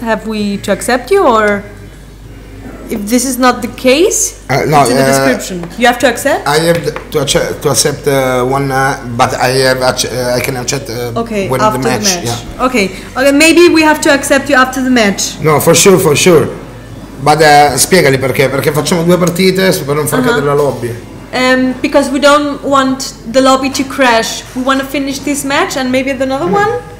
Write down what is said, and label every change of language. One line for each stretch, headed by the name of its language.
English: Have we to accept you, or if this is not the case, no, it's in the description. You have to accept. I have to accept one, but I can accept. Okay, when after the match. Yeah. Okay, maybe we have to accept you after the match. No, for sure. But
Italian: spiegali perché? Perché facciamo due partite per non far cadere la lobby.
English: Because we don't want the lobby to crash, we want to finish this match and maybe another one.